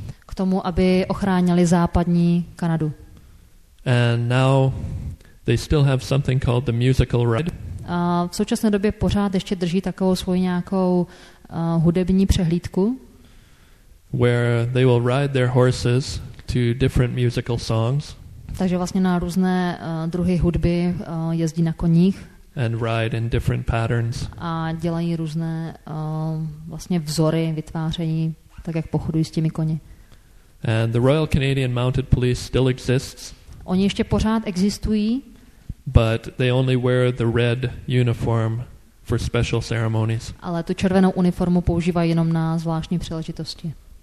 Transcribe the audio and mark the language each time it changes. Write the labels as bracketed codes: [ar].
[cs] K tomu, aby ochránili západní Kanadu. [en] And now they still have something called the musical ride. [cs] A v současné době pořád ještě drží takovou svoji nějakou hudební přehlídku. [en] Where they will ride their horses to different musical songs. [cs] Takže vlastně na různé druhy hudby jezdí na koních. [en] And ride in different patterns. [cs] A dělají různé vlastně vzory, vytváření, tak jak pochodují s těmi koni. [en] And the Royal Canadian Mounted Police still exists. [cs] Oni ještě pořád existují. [en] But they only wear the red uniform for special ceremonies. [cs] Ale tu červenou uniformu používají jenom na zvláštní příležitosti.